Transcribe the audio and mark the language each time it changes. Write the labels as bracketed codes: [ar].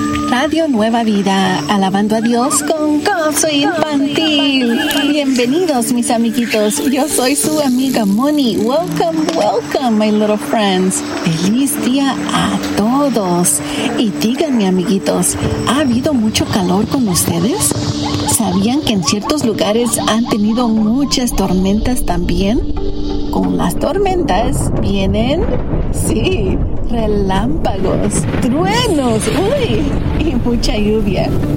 [es] Radio Nueva Vida, alabando a Dios con Gozo Infantil. Bienvenidos, mis amiguitos. Yo soy su amiga Moni. [en] Welcome, welcome, my little friends. [es] Feliz día a todos. Y díganme, amiguitos, ¿ha habido mucho calor con ustedes? ¿Sabían que en ciertos lugares han tenido muchas tormentas también? Con las tormentas vienen, sí, relámpagos, truenos, uy, y mucha lluvia.